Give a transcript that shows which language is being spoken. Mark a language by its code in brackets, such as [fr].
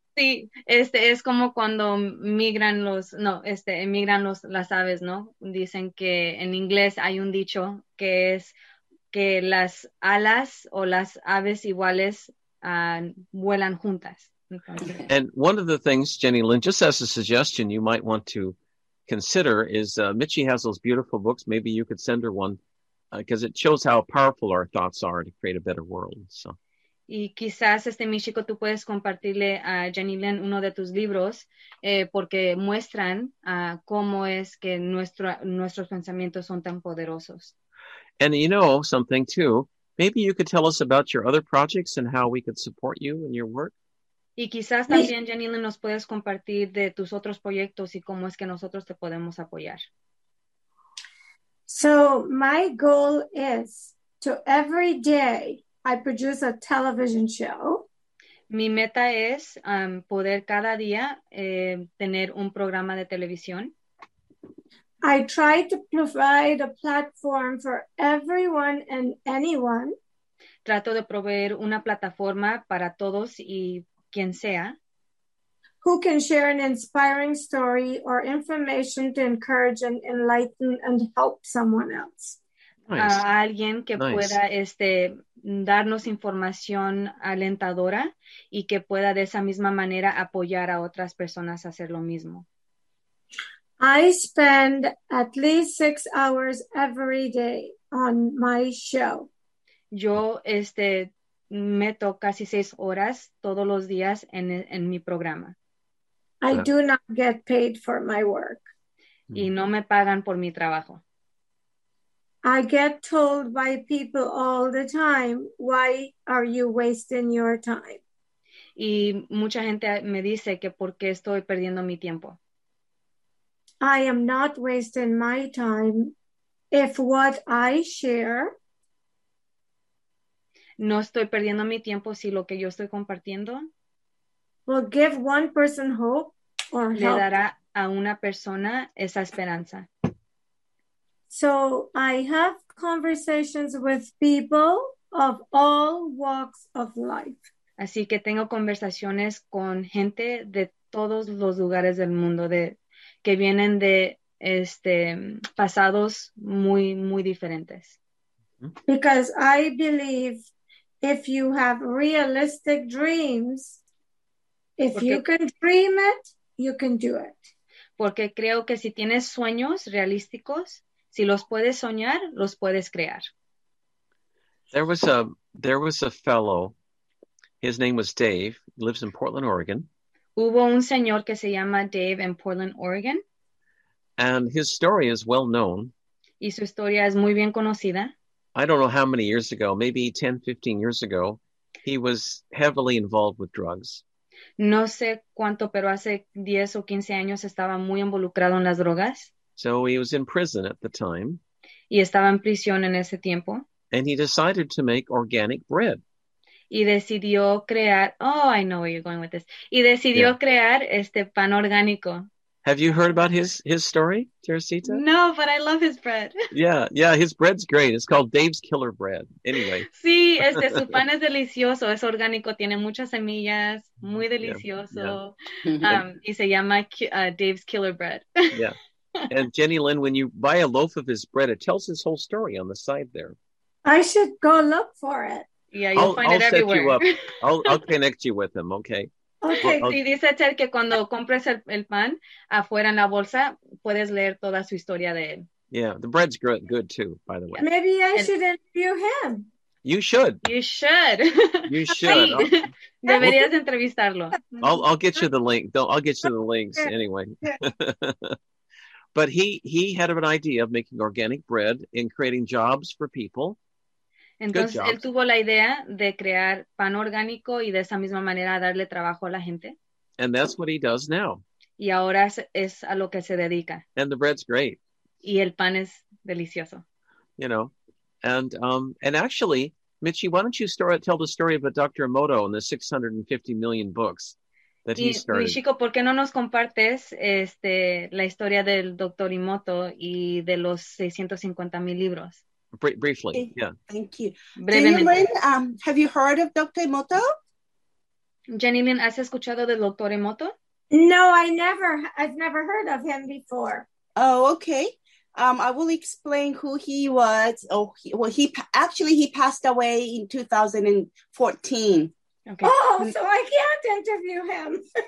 [es] Sí, es como cuando migran los, emigran los las aves, ¿no? Dicen que en inglés hay un dicho que es que las alas o las aves iguales vuelan juntas. [en] And one of the things, Jenny Lynn, just as a suggestion you might want to consider is Mitchy has those beautiful books. Maybe you could send her one because it shows how powerful our thoughts are to create a better world, so. [es] Y quizás, mi chico, tú puedes compartirle a Jenny Lynn uno de tus libros porque muestran cómo es que nuestros pensamientos son tan poderosos. [en] And you know something, too. Maybe you could tell us about your other projects and how we could support you in your work. [es] Y quizás también, Jenny Lynn, nos puedes compartir de tus otros proyectos y cómo es que nosotros te podemos apoyar. [en] So, my goal is to every day I produce a television show. [es] Mi meta es poder cada día tener un programa de televisión. [en] I try to provide a platform for everyone and anyone. [es] Trato de proveer una plataforma para todos y quien sea. [en] Who can share an inspiring story or information to encourage and enlighten and help someone else. Nice. [es] A alguien que [en] nice. [es] Pueda darnos información alentadora y que pueda de esa misma manera apoyar a otras personas a hacer lo mismo. [en] I spend at least 6 hours every day on my show. [es] Yo meto casi 6 horas todos los días en mi programa. [en] I do not get paid for my work. [es] Y no me pagan por mi trabajo. [en] I get told by people all the time, why are you wasting your time? [es] Y mucha gente me dice que por qué estoy perdiendo mi tiempo. [en] I am not wasting my time if what I share. [es] No estoy perdiendo mi tiempo si lo que yo estoy compartiendo. [en] Will give one person hope or help. [es] Le dará a una persona esa esperanza. [en] So I have conversations with people of all walks of life. [es] Así que tengo conversaciones con gente de todos los lugares del mundo, que vienen de pasados muy, muy diferentes. [en] Because I believe if you have realistic dreams, if you can dream it, you can do it. [es] Porque creo que si tienes sueños realísticos, si los puedes soñar, los puedes crear. [en] There was a fellow, his name was Dave, lives in Portland, Oregon. [es] Hubo un señor que se llama Dave in Portland, Oregon. [en] And his story is well known. [es] Y su historia es muy bien conocida. [en] I don't know how many years ago, maybe 10, 15 years ago, he was heavily involved with drugs. [es] No sé cuánto, pero hace 10 o 15 años estaba muy involucrado en las drogas. [en] So he was in prison at the time. [es] Y estaba en prisión en ese tiempo. [en] And he decided to make organic bread. [es] Y decidió crear, [en] I know where you're going with this. [es] Y decidió crear pan orgánico. [en] Have you heard about his story, Teresita? No, but I love his bread. Yeah, his bread's great. It's called Dave's Killer Bread. Anyway. [es] Sí, su pan es delicioso. Es orgánico. Tiene muchas semillas. Muy delicioso. Yeah. Y se llama Dave's Killer Bread. [en] Yeah. And Jenny Lynn, when you buy a loaf of his bread, it tells his whole story on the side there. I should go look for it. Yeah, you'll find it everywhere. I'll set you up. I'll connect you with him, okay? [es] Okay, sí, dice Ted que cuando compres el pan afuera en la bolsa, puedes leer toda su historia de él. [en] Yeah, the bread's good too, by the way. Maybe I should interview him. You should. You should. You should. [es] Sí. Deberías entrevistarlo. [en] I'll get you the link. I'll get you the links anyway. But he had an idea of making organic bread and creating jobs for people. [es] Entonces, él tuvo la idea de crear pan orgánico y de esa misma manera darle trabajo a la gente. [en] And that's what he does now. [es] Y ahora es a lo que se dedica. [en] And the bread's great. [es] Y el pan es delicioso. [en] You know, and actually, Michi, why don't you tell the story about Dr. Emoto and the 650 million books that he started? [es] Michiko, ¿por qué no nos compartes la historia del Dr. Emoto y de los 650 mil libros? [en] Briefly, yeah. Thank you. [es] Brevemente. [en] Jenny Lynn, have you heard of Dr. Emoto? [es] Jenny Lynn, ¿has escuchado del Dr. Emoto? [en] No, I've never heard of him before. Oh, okay. I will explain who he was. He passed away in 2014. Okay. Oh, so I can't interview him.